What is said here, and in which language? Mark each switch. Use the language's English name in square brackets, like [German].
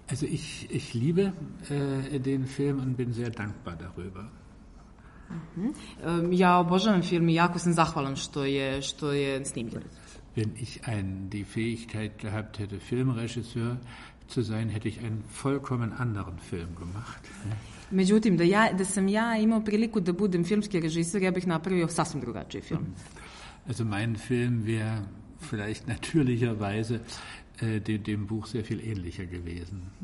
[German] Also ich liebe den Film und bin sehr dankbar darüber. [Serbian] Mhm. Ja obožavam film i jako sam zahvalan što je snimljen. [German] Wenn ich die Fähigkeit gehabt hätte, Filmregisseur zu sein, hätte ich einen vollkommen anderen Film gemacht. [Serbian] Međutim, da sam ja imao priliku da budem filmski režisor, ja bih napravio sasvim drugačiji film. [German] Also mein Film wäre vielleicht natürlicherweise dem Buch sehr viel ähnlicher gewesen.